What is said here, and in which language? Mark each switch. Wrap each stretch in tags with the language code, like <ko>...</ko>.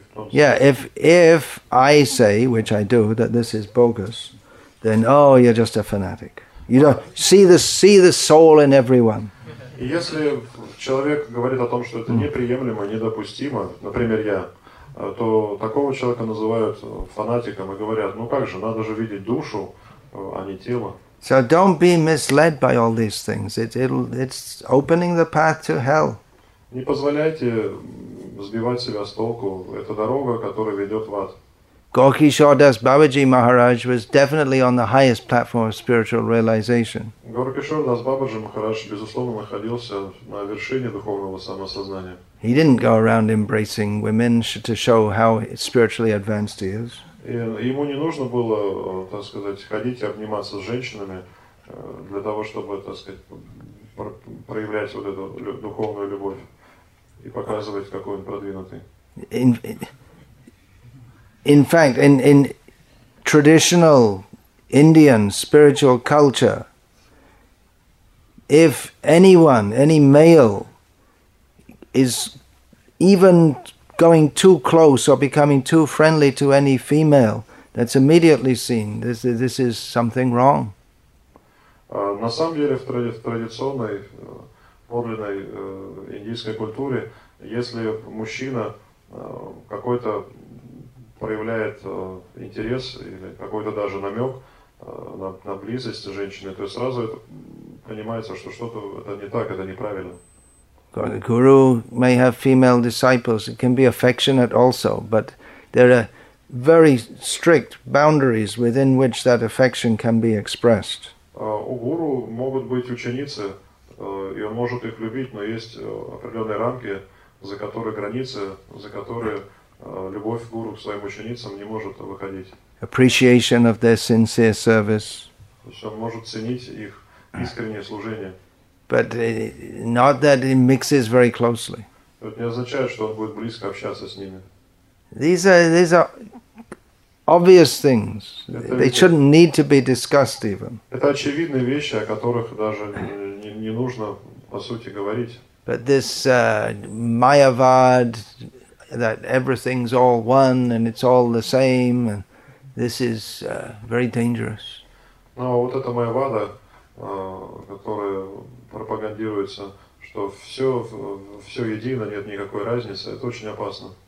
<en>If I say, which I do, that this is bogus, then, oh, you're just a fanatic. You don't see the soul in everyone.</en> <ru>Если человек говорит о том, что это неприемлемо, недопустимо, например, я, то такого человека называют фанатиком и говорят: ну как же, надо же видеть душу, а не тело.</ru> <en>So don't be misled by all these things. It's opening the path to hell.</en> <ru>Не позволяйте сбивать себя с толку. Это дорога, которая ведет в ад.</ru> <en>Gorky Shordas Babaji Maharaj was definitely on the highest platform of spiritual realization.</en> <ru>Gorky Shordas Babaji Maharaj, безусловно, находился на вершине духовного самосознания.</ru> <en>He didn't go around embracing women to show how spiritually advanced he is.</en> <ru>Ему не нужно было, так сказать, ходить и обниматься с женщинами для того, чтобы, так сказать, проявлять вот эту духовную любовь и показывать, какой он продвинутый.</ru> <en>In fact, in traditional Indian spiritual culture, if anyone, any male, is even going too close or becoming too friendly to any female, that's immediately seen. This is something wrong.</en> <ru>На самом деле, в традиционной, подлинной индийской культуре, если мужчина какой-то проявляет интерес или какой-то даже намек на близость женщины, то сразу это понимается, что что-то это не так, это неправильно.</ru> <en>God, the guru may have female disciples. It can be affectionate also, but there are very strict boundaries within which that affection can be expressed.</en> <ru>У гуру могут быть ученицы, и он может их любить, но есть определенные рамки, за которые границы, за которые любовь гуру к своим ученицам не может выходить.</ru> <en>Appreciation of their sincere service.</en> <ru>То есть он может ценить их искреннее служение.</ru> <en>But not that it mixes very closely.</en> <ru>Это не означает, что он будет близко общаться с ними.</ru> <en>These are obvious things. They shouldn't need to be discussed even.</en> <ru>Это очевидные вещи, о которых даже не нужно по сути говорить.</ru> <en>But this Mayavad, that everything's all one and it's all the same, and this is very dangerous.</en> <ru>Но вот эта майявада, которая пропагандируется, что все едино, нет никакой разницы, это очень опасно.</ru>